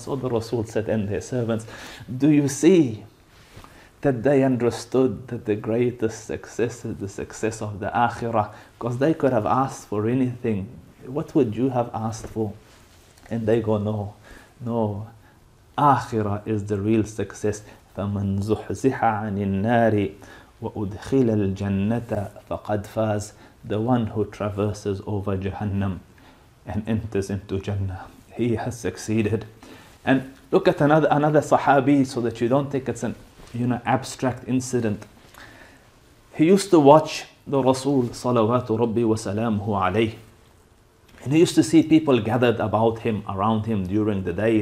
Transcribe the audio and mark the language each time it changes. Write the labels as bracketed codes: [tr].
[en] So the Rasul said, and their servants. Do you see that they understood that the greatest success is the success of the Akhirah? Because they could have asked for anything. What would you have asked for? And they go, no. Akhirah is the real success. [ar] فَمَنْ زُحْزِحَ عَنِ النَّارِ وَأُدْخِلَ الْجَنَّةَ فَقَدْ فَازَ, [en] the one who traverses over Jahannam, and enters into Jannah. He has succeeded. And look at another Sahabi, so that you don't think it's an abstract incident. He used to watch the Rasul salawatu Rabbi wa salamuhu alayh. And he used to see people gathered about him, around him during the day.